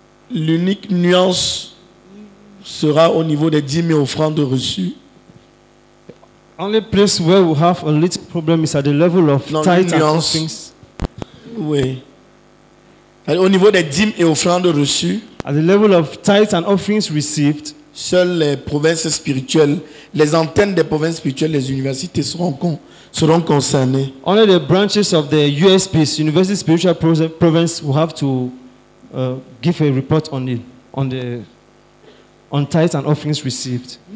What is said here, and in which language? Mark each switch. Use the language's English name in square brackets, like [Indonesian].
[French] L'unique nuance sera au niveau des 10 000 offrandes reçues. [English] Only place where we have a little problem is at the level of tithes and offerings. [French] Oui. Et au niveau des dîmes et offrandes reçues, [English] at the level of tithes and offerings received, [French] seules les provinces spirituelles, les antennes des provinces spirituelles, les universités seront concernées. [English] Only the branches of the USPs, University Spiritual Province, will have to give a report on tithes and offerings received.